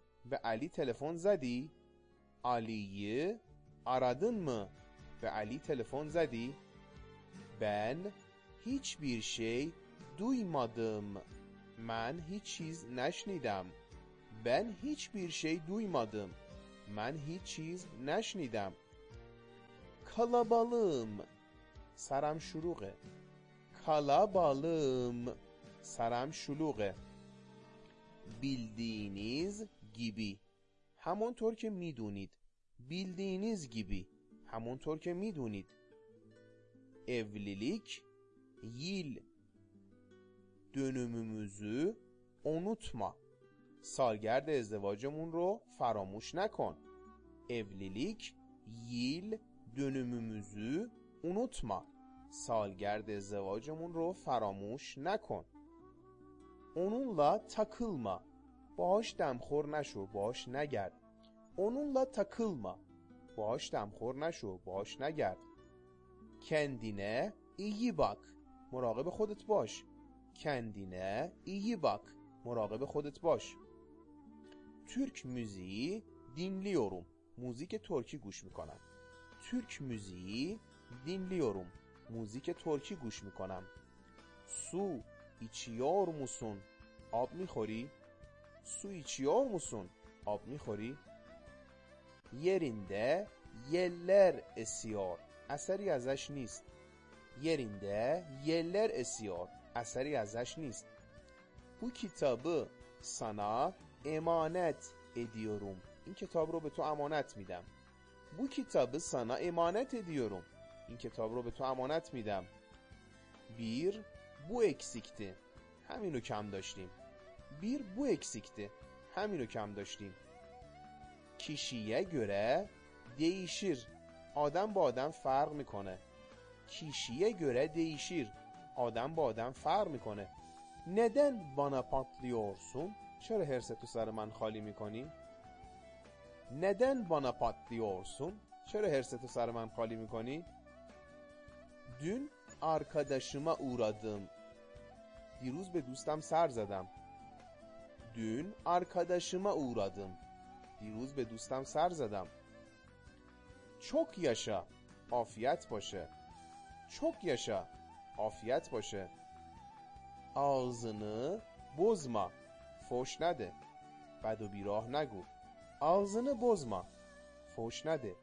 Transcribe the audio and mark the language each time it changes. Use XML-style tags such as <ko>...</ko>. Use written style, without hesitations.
<fa>به علی تلفن زدی؟</fa> <tr>Ali'yi aradın mı?</tr> <fa>به علی تلفن زدی؟</fa> <tr>Ben hiçbir şey duymadım.</tr> <fa>من هیچ چیز نشنیدم.</fa> <tr>Ben hiçbir şey duymadım.</tr> <fa>من هیچ چیز نشنیدم.</fa> <tr>Kalabalığım.</tr> <fa>سرم شلوغه.</fa> <tr>Kalabalığım.</tr> <fa>سرم شلوغه.</fa> <tr>Bildiğiniz gibi.</tr> <fa>همونطور که میدونید.</fa> <tr>Bildiğiniz gibi.</tr> <fa>همونطور که میدونید.</fa> <tr>Evlilik yıl. Dönümümüzü unutma.</tr> <fa>سالگرد ازدواجمون رو فراموش نکن.</fa> <tr>Evlilik yıl dönümümüzü unutma.</tr> <fa>سالگرد ازدواجمون رو فراموش نکن.</fa> <tr>Onunla takılma.</tr> <fa>باهاش دمخور نشو. باهاش نگرد.</fa> <tr>Onunla takılma.</tr> <fa>باهاش دمخور نشو. باهاش نگرد.</fa> <tr>Kendine iyi bak.</tr> <fa>مراقب خودت باش.</fa> <tr>Kendine iyi bak.</tr> <fa>مراقب خودت باش.</fa> <tr>Türk müziği dinliyorum.</tr> <fa>موزیک ترکی گوش میکنم.</fa> <tr>Türk müziği dinliyorum.</tr> <fa>موزیک ترکی گوش میکنم.</fa> <tr>Su içiyor musun?</tr> <fa>آب میخوری؟</fa> <tr>Su içiyor musun? آب میخوری؟ Yerinde yeller esiyor.</tr> <fa>اثری ازش نیست.</fa> <tr>Yerinde yeller esiyor.</tr> <fa>اثری ازش نیست.</fa> <tr>Bu kitabı sana emanet ediyorum.</tr> <fa>این کتاب رو به تو امانت میدم.</fa> <tr>Bu kitabı sana emanet ediyorum.</tr> <fa>این کتاب رو به تو امانت میدم.</fa> <tr>Bir bu eksikti.</tr> <fa>همینو کم داشتیم.</fa> <tr>Bir bu eksikti.</tr> <fa>همینو کم داشتیم.</fa> <tr>Kişiye göre değişir.</tr> <fa>آدم با آدم فرق میکنه.</fa> <tr>Kişiye göre değişir.</tr> <fa>آدم با آدم فرق میکنه.</fa> <tr>Neden bana patlıyorsun?</tr> <fa>چرا هرستو سر من خالی میکنی؟</fa> <tr>Neden bana patlıyorsun?</tr> <fa>چرا هرستو سر من خالی میکنی؟</fa> <tr>Dün arkadaşıma uğradım.</tr> <fa>دیروز به دوستم سر زدم.</fa> <tr>Dün arkadaşıma uğradım.</tr> <fa>دیروز به دوستم سر زدم.</fa> <tr>Çok yaşa.</tr> <fa>Afiyet باشه.</fa> <tr>Çok yaşa.</tr> <fa>Afiyet باشه.</fa> <tr>Ağzını bozma.</tr> <fa>Fuş nede. Bad و بیراه نگو.</fa> <tr>Ağzını bozma.</tr> <fa>Fuş nede.</fa>